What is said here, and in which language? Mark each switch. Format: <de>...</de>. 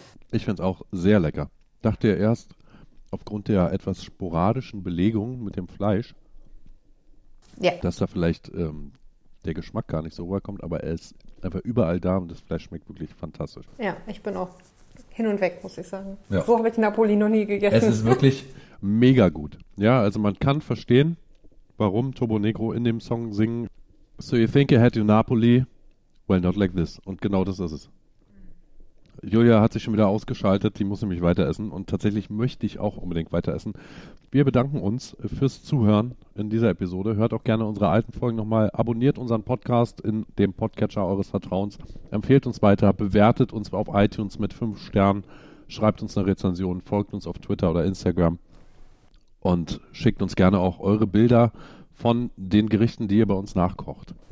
<de>Ich finde es auch sehr lecker. Dachte ja erst, aufgrund der etwas sporadischen Belegung mit dem Fleisch, dass da vielleicht der Geschmack gar nicht so rüberkommt, aber er ist einfach überall da und das Fleisch schmeckt wirklich fantastisch. Ja, ich bin auch hin und weg, muss ich sagen. Ja. So habe ich Napoli noch nie gegessen. Es ist wirklich mega gut. Ja, also man kann verstehen, warum Turbo Negro in dem Song singen.</de> <en>So you think you had your Napoli? Well, not like this.</en> <de>Und genau das ist es. Julia hat sich schon wieder ausgeschaltet, die muss nämlich weiter essen und tatsächlich möchte ich auch unbedingt weiter essen. Wir bedanken uns fürs Zuhören in dieser Episode. Hört auch gerne unsere alten Folgen nochmal. Abonniert unseren Podcast in dem Podcatcher eures Vertrauens. Empfehlt uns weiter, bewertet uns auf iTunes mit 5 Sternen, schreibt uns eine Rezension, folgt uns auf Twitter oder Instagram und schickt uns gerne auch eure Bilder von den Gerichten, die ihr bei uns nachkocht.</de>